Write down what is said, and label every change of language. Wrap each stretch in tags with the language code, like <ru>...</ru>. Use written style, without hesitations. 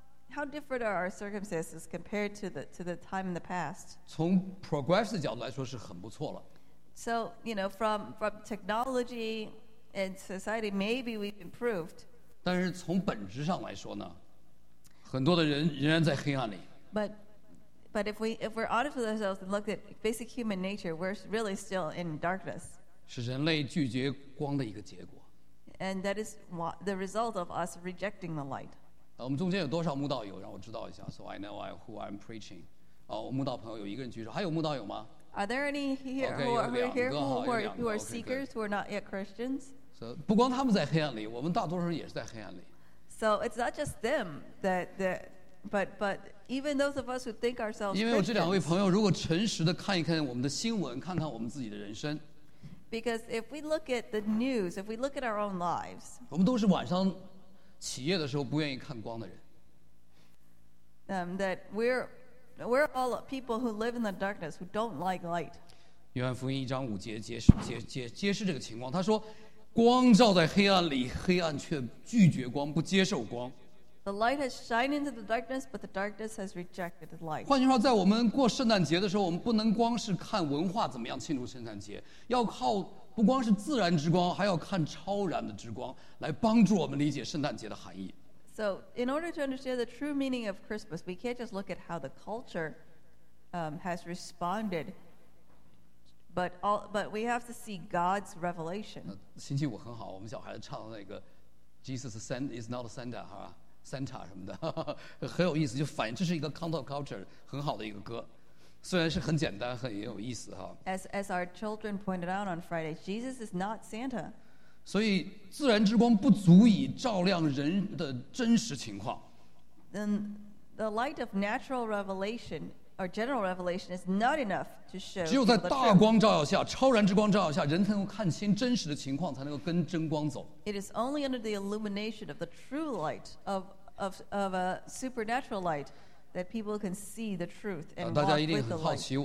<en>How different are our circumstances compared to the time in the past?</en> <zh>从</zh> <en>progress</en> <zh>的角度来说是很不错了。</zh> <en>So you know, from technology and society, maybe we've improved.</en> <zh>但是从本质上来说呢，很多的人仍然在黑暗里。</zh> <en>But if we're honest with ourselves and look at basic human nature, we're really still in darkness.</en> <zh>是人类拒绝光的一个结果。</zh> <en>And that is the result of us rejecting the light.</en> <zh>我们中间有多少慕道友？让我知道一下，</zh> <en>so I know who I'm preaching.</en> <zh>慕道朋友有一个人举手， 还有慕道友吗？</zh> <en>Are there any here okay, who are seekers who are not yet Christians?</en> <zh>So, 不光他们在黑暗里， 我们大多数人也是在黑暗里。</zh> <en>So it's not just them but even those of us who think ourselves Christians.</en> <zh>因为我这两位朋友如果诚实地看一看我们的新闻， 看看我们自己的人生。</zh> <en>Because if we look at the news, if we look at our own lives,</en> <zh>我们都是晚上起夜的时候不愿意看光的人。</zh> <en>That we're all people who live in the darkness, who don't like light.</en> <zh>约翰福音一章五节揭示这个情况， 他说， 光照在黑暗里， 黑暗却拒绝光， 不接受光。</zh> <en>The light has shined into the darkness, but the darkness has rejected the light.</en> <zh>换句话，在我们过圣诞节的时候， 我们不能光是看文化怎么样庆祝圣诞节， 要靠不光是自然之光， 还要看超然的之光， 来帮助我们理解圣诞节的含义。</zh> <en>So in order to understand the true meaning of Christmas, we can't just look at how the culture has responded, but we have to see God's revelation.</en> <zh>心情我很好， 我们小孩子唱的那个</zh> <en>Jesus is not a Santa,</en> <zh>huh? Santa什么的， 很有意思， 就反映， 这是一个</zh> <en>counter culture</en> <zh>很好的一个歌， 虽然是很简单， 很有意思，</zh> <en>as our children pointed out on Friday, Jesus is not Santa.</en> <zh>所以自然之光不足以照亮人的真实情况。</zh> <en>Then the light of natural revelation or general revelation is not enough to show.</en> <zh>只有在大光照耀下， 超然之光照耀下， 人才能够看清真实的情况， 才能够跟真光走。</zh> <en>It is only under the illumination of the true light of a supernatural light that people can see the truth and walk with the light.</en>